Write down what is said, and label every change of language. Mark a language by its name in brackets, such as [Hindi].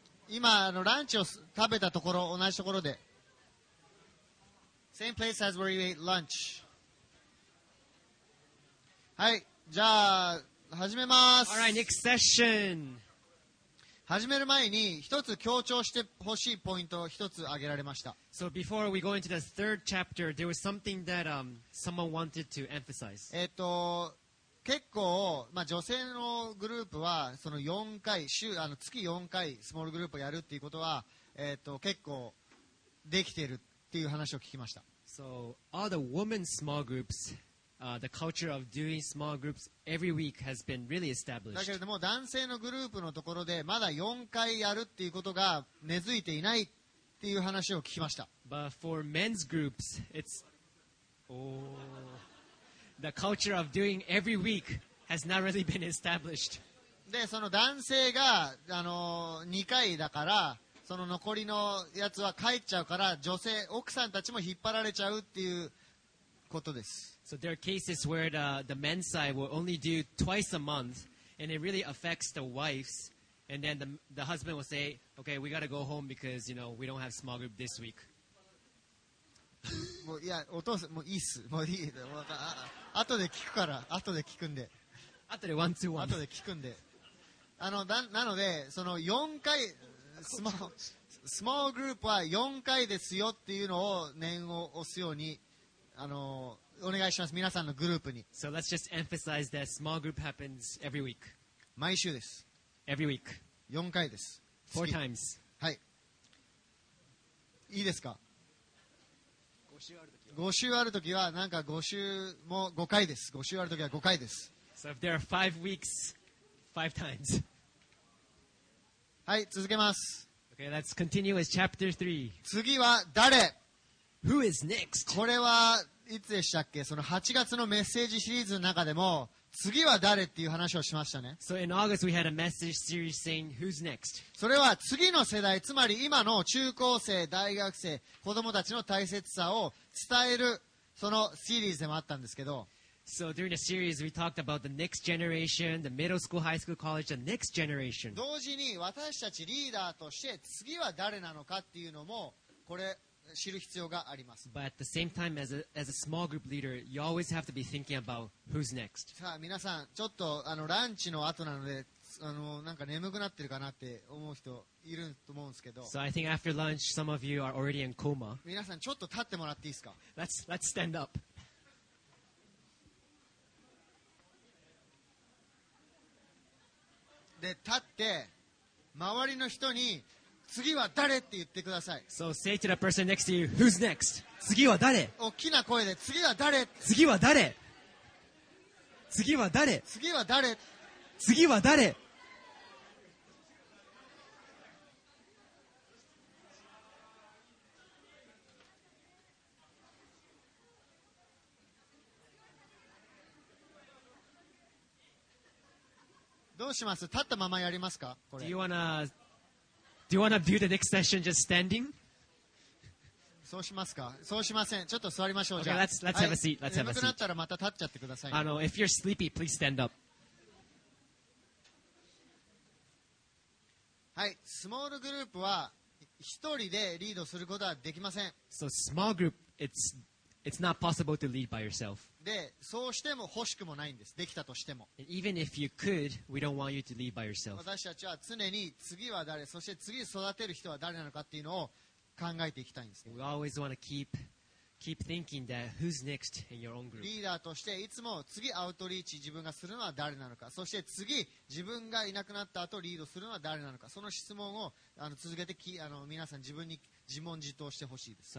[Japanese] 今あのランチを食べたところ、同じところで。 [English] Same place as where you ate lunch. [Japanese] はい、じゃあ始めます。 [English] Alright, next session. [Japanese] 始める前に一つ強調してほしいポイントを一つ挙げられました。 [English] So before we go into the third chapter, there was something that、someone wanted to emphasize. [Japanese] 結構、まあ、女性のグループはその4回週あの月4回スモールグループをやるっていうことは、結構できているっていう話を聞きました。 [English] So all the women's small groups、the culture of doing small groups every week has been really established. [Japanese] だけれども男性のグループのところでまだ4回やるっていうことが根付いていないっていう話を聞きました。 [English] But for men's groups it's the culture of doing every week has not really been established. [Japanese] で、その男性が、2回だから、その残りのやつは帰っちゃうから、女性、奥さんたちも引っ張られちゃうっていうことです。 [English] So there are cases where the men's side will only do twice a month, and it really affects the wives, and then the husband will say, okay, we gotta go home because, you know, we don't have small group this week. [Japanese] もういやお父さんもういいっす、もういいで、もう後で聞くから、後で聞くんで、後でワンツーワン、後で聞くんで、あのだなのでその4回スモールグループは4回ですよっていうのを念を押すようにあのお願いします、皆さんのグループに。 [English] So let's just emphasize that small group happens every week. [Japanese] 毎週です。 [English] Every week. [Japanese] 4回です。 [English] 4 times. [Japanese] はい、いいですか。 5週あるときはなんか5週も5回です。 5週あるときは5回です。 [English] So if there are 5 weeks 5 times. [Japanese] はい、続けます。 [English] Okay, let's continue with chapter 3. [Japanese] 次は誰。 [English] Who is next? [Japanese] これはいつでしたっけ、その8月のメッセージシリーズの中でも次は誰っていう話をしましたね。 [English] So in August we had a message series saying who's next. [Japanese] それは次の世代、つまり今の中高生、大学生、子供たちの大切さを伝えるそのシリーズでもあったんですけど。 [English] So during the series we talked about the next generation, the middle school, high school, college, the next generation. [Japanese] 同時に私たちリーダーとして次は誰なのかっていうのもこれ知る必要があります。 [English] But at the same time as a small group leader you always have to be thinking about who's next. [Japanese] さあ皆さん、ちょっとあのランチの後なのであのなんか眠くなってるかなって思う人いると思うんですけど。 [English] So I think after lunch some of you are already in coma. [Japanese] 皆さんちょっと立ってもらっていいですか。 [English] Let's stand up. [Japanese] で立って周りの人に次は誰って言ってください。 [English] So say to the person next to you, who's next? [Japanese] 次は誰？大きな声で次は誰？次は誰？次は誰？次は誰？次は誰？どうします？立ったままやりますか？これ。 [English] Do you wanna... Do you want to view the next session just standing? [Japanese] そうしますか。そうしません。ちょっと座りましょう。 [English] Okay, let's have a seat. Let's have a seat. [Japanese] 眠くなったらまた立っちゃってください。 [English] あの、if you're sleepy, please stand up. [Japanese] はい、スモールグループは一人でリードすることはできません。 [English] So small group, it's not possible to lead by yourself. [Japanese] で、そうしても欲しくもないんです。できたとしても。 [English] Even if you could, we don't want you to lead by yourself. [Japanese] 私たちは常に次は誰、そして次育てる人は誰なのかっていうのを考えていきたいんです。 [English] We always want to keep thinking that who's next in your own group. [Japanese] リーダーとしていつも次アウトリーチ自分がするのは誰なのか、そして次自分がいなくなった後リードするのは誰なのか、その質問をあの続けてあの皆さん自分に自問自答してほしいです。